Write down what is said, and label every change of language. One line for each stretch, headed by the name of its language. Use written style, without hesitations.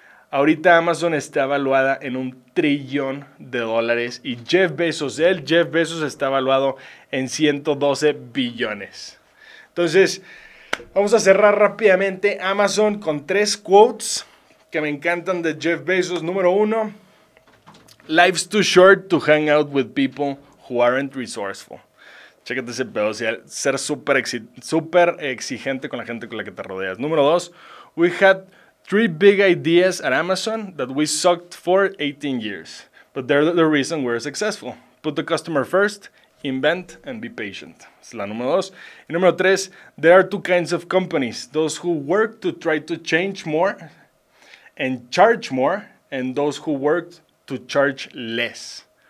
Spanish: Ahorita Amazon está evaluada en un trillón de dólares. Y Jeff Bezos está evaluado en 112 billones. Entonces, vamos a cerrar rápidamente Amazon con tres quotes que me encantan de Jeff Bezos. Número uno,
English: life's too short to hang out with people who aren't resourceful.
Spanish: Chécate ese pedo, o sea, ser súper exigente con la gente con la que te rodeas. Número dos,
English: we had three big ideas at Amazon that we sucked for 18 years, but they're the reason we're successful. Put the customer first. Invent and be patient.
Spanish: Es la número dos. Y número tres,
English: there are two kinds of companies. Those who work to try to change more and charge more, and those who work to charge less.